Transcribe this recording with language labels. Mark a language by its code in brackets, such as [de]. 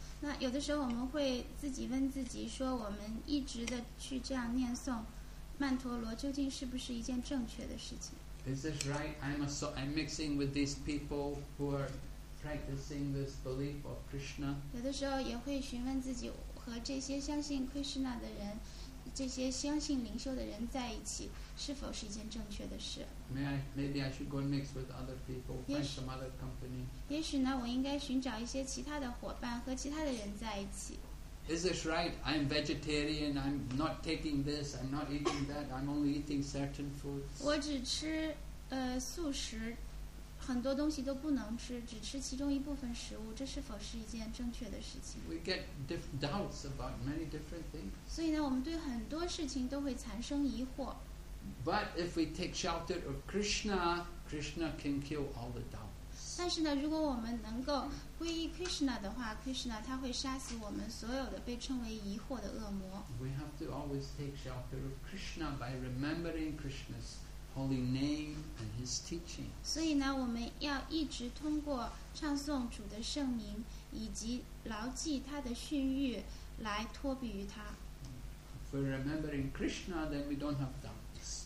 [zh] 那有的时候我们会自己问自己说，我们一直的去这样念诵，曼陀罗究竟是不是一件正确的事情。 [en] Is this right? I'm mixing with these people who are practicing this belief of Krishna. [zh] 有的时候也会询问自己，和这些相信 Krishna 的人，这些相信灵修的人在一起，是否是一件正确的事？ [en] Maybe I should go mix with other people, find some other company. [zh] 也许呢，我应该寻找一些其他的伙伴，和其他的人在一起。 [en] Is this right? I'm vegetarian. I'm not taking this. I'm not eating that. I'm only eating certain foods. [zh] 我只吃素食，很多东西都不能吃，只吃其中一部分食物。这是否是一件正确的事情？ [en] We get doubts about many different things. [zh] 所以呢，我们对很多事情都会产生疑惑。 [en] But if we take shelter of Krishna, Krishna can kill all the doubts. [zh] 但是呢，如果我们能够皈依 Krishna 的话， Krishna 他会杀死我们所有的被称为疑惑的恶魔。 [en] We have to always take shelter of Krishna by remembering Krishna's holy name and his teaching. [zh] 所以呢，我们要一直通过唱诵主的圣名以及牢记他的训谕来托庇于他。 [en] If we're remembering Krishna, then we don't have doubts.